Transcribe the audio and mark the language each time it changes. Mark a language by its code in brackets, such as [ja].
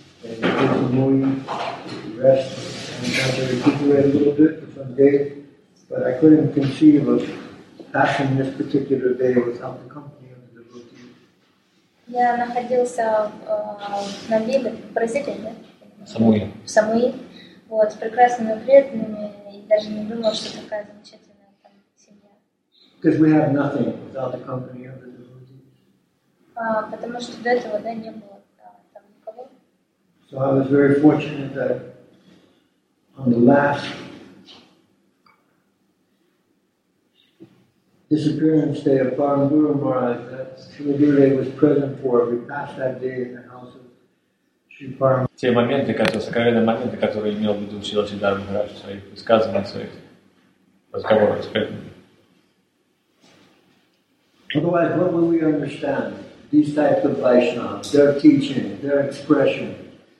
[en] And it was a morning to rest and try to recuperate a little bit for some days. But I couldn't conceive of passing this particular day without the company of the devotees. [ru] Я находился на вилле в Бразилии, Самуи. Самуи. Вот, с прекрасными преданными, и даже не думал, что такая замечательная там семья. [en] Because we have nothing without the company of the devotees. [ru] Потому что до этого, да, не было там никого. [en] So I was very fortunate that on the last disappearance day of Paramguru Maharaj, that Śrīla Gurudeva was present for, we passed that day in the house of [ru] те моменты, которые, сокровенные моменты, которые имел в виду Шрила Сиддхартха Махарадж в своих высказываниях, в своих разговорах с преданными. [en] Otherwise, what will we understand? These types of Vaishnavas, their teaching, their expression.